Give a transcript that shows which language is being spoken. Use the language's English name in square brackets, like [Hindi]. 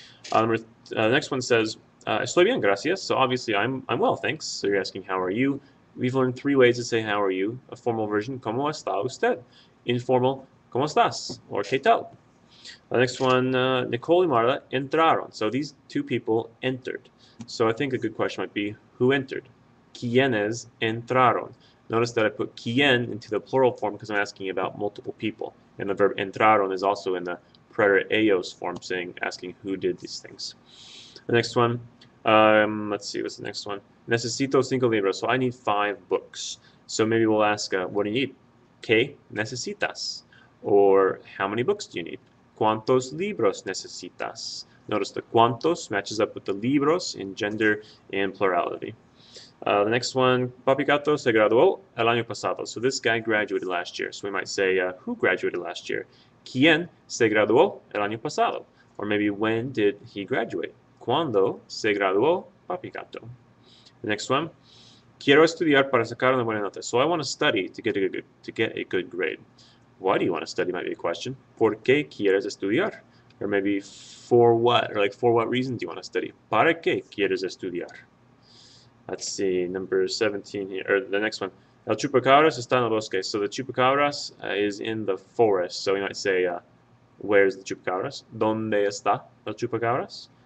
[English] The next one says, [Spanish] estoy bien, gracias. [English] So obviously, I'm well, thanks. So you're asking, how are you? We've learned three ways to say, how are you? A formal version, [Spanish] ¿Cómo está usted? [English] Informal, [Spanish] ¿Cómo estás? [English] Or, [Spanish] ¿Qué tal? [English] The next one, [Spanish] Nicole y Marta entraron. [English] So these two people entered. So I think a good question might be, who entered? [Spanish] ¿Quiénes entraron? [English] Notice that I put quién into the plural form because I'm asking about multiple people. And the verb entraron is also in the preterite ellos form, saying, asking who did these things. The next one, let's see, what's the next one? [Spanish] Necesito cinco libros, [English] so I need 5 books. So maybe we'll ask, what do you need? [Spanish] ¿Qué necesitas? [English] Or how many books do you need? [Spanish] ¿Cuántos libros necesitas? [English] Notice the cuántos matches up with the libros in gender and plurality. The next one, [Spanish] Papi Gato se graduó el año pasado. [English] So this guy graduated last year. So we might say, who graduated last year? [Spanish] ¿Quién se graduó el año pasado? [English] Or maybe, when did he graduate? [Spanish] ¿Cuándo se graduó Papi Gato? [English] The next one, [Spanish] quiero estudiar para sacar una buena nota. [English] So I want to study to get a good grade. Why do you want to study might be a question. [Spanish] ¿Por qué quieres estudiar? [English] Or maybe, for what? Or like, for what reason do you want to study? [Spanish] ¿Para qué quieres estudiar? [English] Let's see, number 17 here, or the next one. [Spanish] El chupacabras está en el bosque. [English] So the chupacabras is in the forest. So you might say, where's the chupacabras? [Spanish] ¿Dónde está el chupacabras?